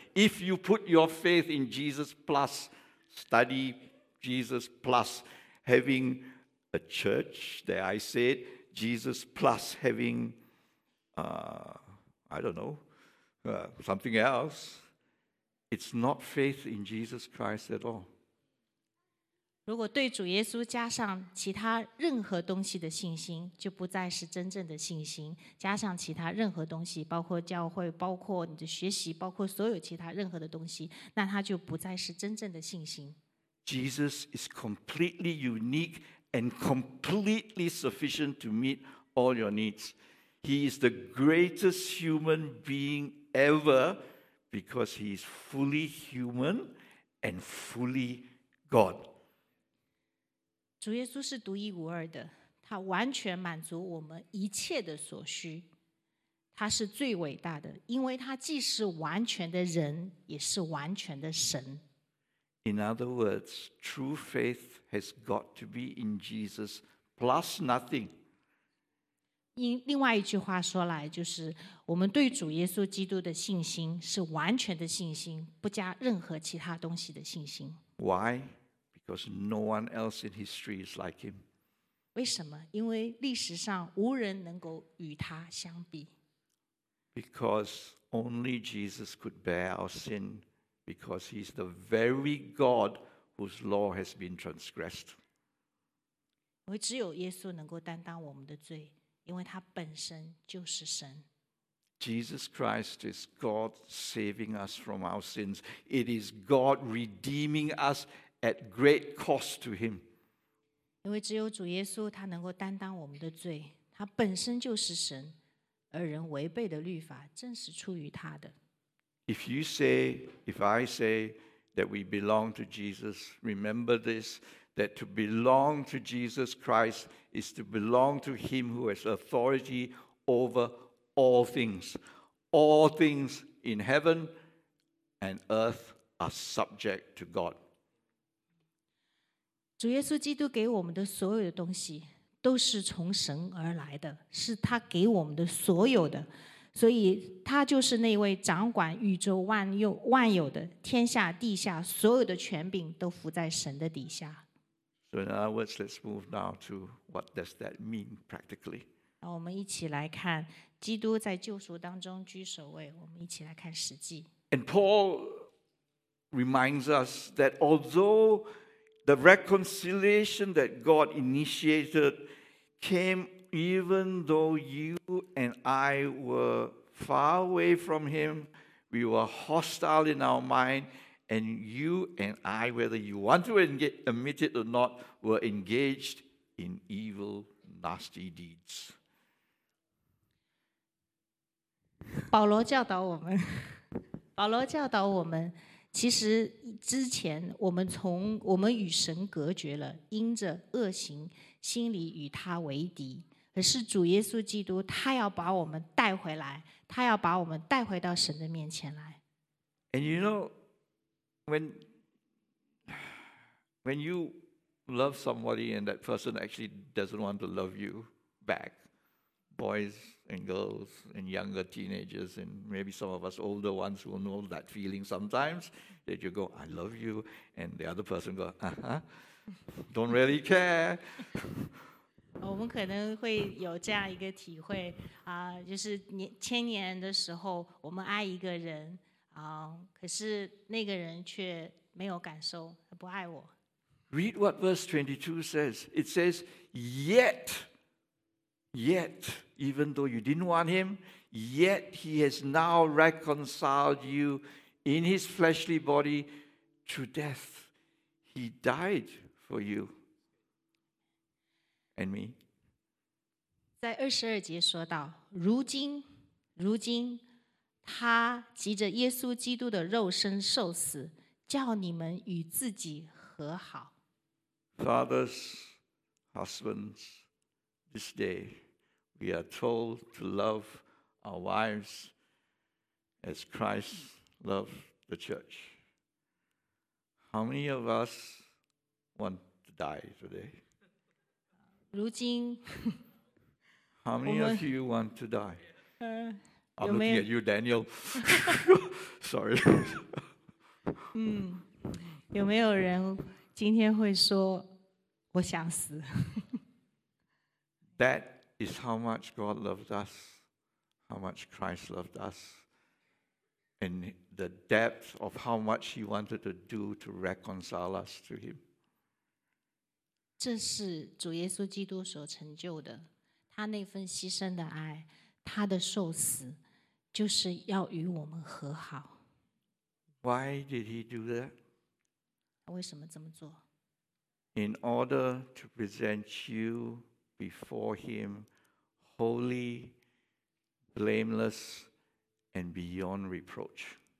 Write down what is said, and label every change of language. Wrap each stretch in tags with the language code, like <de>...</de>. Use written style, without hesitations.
<en>If you put your faith in Jesus plus study Jesus plus having a church, that I said, Jesus plus having, something else, it's not faith in Jesus Christ at all.</en> <zh>如果对主耶稣加上其他任何东西的信心，就不再是真正的信心。加上其他任何东西，包括教会，包括你的学习，包括所有其他任何的东西，那它就不再是真正的信心。</zh> <en>Jesus is completely unique and completely sufficient to meet all your needs. He is the greatest human being ever because he is fully human and fully God.</en> <zh>主耶稣是独一无二的，他完全满足我们一切的所需。他是最伟大的，因为他既是完全的人，也是完全的神。</zh> <en>In other words, true faith has got to be in Jesus plus nothing.</en> <zh>另外一句话说来，就是我们对主耶稣基督的信心是完全的信心，不加任何其他东西的信心。</zh> <en>Why? Because no one else in history is like him.</en> <zh>为什么？因为历史上无人能够与他相比。</zh> <en>Because only Jesus could bear our sin. Because he's the very God whose law has been transgressed.</en> <zh>只有耶稣能够担当我们的罪，因为他本身就是神。</zh> <en>Jesus Christ is God saving us from our sins. It is God redeeming us at great cost to him.</en> <zh>因为只有主耶稣他能够担当我们的罪，他本身就是神，而人违背的律法正是出于他的。</zh> <en>If you say, if I say that we belong to Jesus, remember this, that to belong to Jesus Christ is to belong to him who has authority over all things in heaven and earth are subject to God.</en> <zh>主耶稣基督给我们的所有的东西都是从神而来的，是他给我们的所有的。所以他就是那位掌管宇宙万有的，天下地下所有的权柄都伏在神的底下。</zh> <en>So in other words, let's move now to what does that mean practically.</en> <zh>我们一起来看基督在救赎当中居首位，我们一起来看实际。</zh> <en>And Paul reminds us that although the reconciliation that God initiated came Even though you and I were far away from him, we were hostile in our mind, and you and I, whether you want to admit it or not, were engaged in evil, nasty deeds.</en> <zh>保罗教导我们，其实之前我们与神隔绝了，因着恶行，心里与他为敌。可是主耶稣基督他要把我们带回来，他要把我们带回到神的面前来。</zh> <en>And you know, when you love somebody and that person actually doesn't want to love you back, boys and girls and younger teenagers and maybe some of us older ones will know that feeling sometimes that you go, I love you, and the other person go, don't really care.</en> <zh>我们可能会有这样一个体会，就是千年的时候我们爱一个人，可是那个人却没有感受，他不爱我。</zh> <en>Read what verse 22 says. It says, yet, even though you didn't want him, yet he has now reconciled you in his fleshly body to death. He died for you. And me.</en> <zh>在二十二节说到，如今，他藉着耶稣基督的肉身受死，叫你们与自己和好。</zh> <en>Fathers, husbands, this day we are told to love our wives as Christ loved the church. How many of us want to die today?</en> <zh>如今</zh> <en>How many of you want to die? I'm looking at you, Daniel. Sorry.</en> <zh>有没有人今天会说我想死？</zh> <en>That is how much God loved us, how much Christ loved us, and the depth of how much He wanted to do to reconcile us to Him.</en> <zh>这是主耶稣基督所成就的，他那份牺牲的爱，他的受死，就是要与我们和好。</zh> <en>Why did He do that?</en> <zh>他为什么这么做？</zh> <en>In order to present you before Him, holy, blameless, and beyond reproach.</en>